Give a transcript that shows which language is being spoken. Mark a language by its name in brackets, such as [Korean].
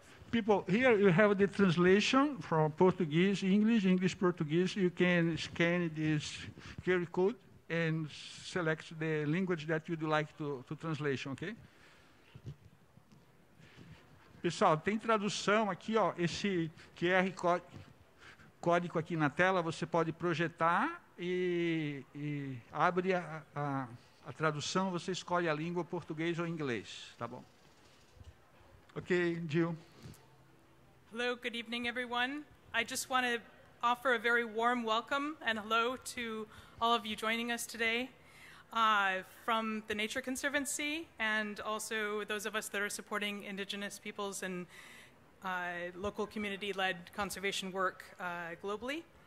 [English] People, here you have the translation from Portuguese, English, English-Portuguese. You can scan this QR code and select the language that you'd like to translation, ok? [Portuguese] Pessoal, tem tradução aqui, ó, esse QR código aqui na tela, você pode projetar e abre a tradução, você escolhe a língua, português ou inglês, tá bom? [English] Ok, Jill. Hello, good evening, everyone. I just want to offer a very warm welcome and hello to all of you joining us today from the Nature Conservancy and also those of us that are supporting Indigenous peoples and local community-led conservation work globally.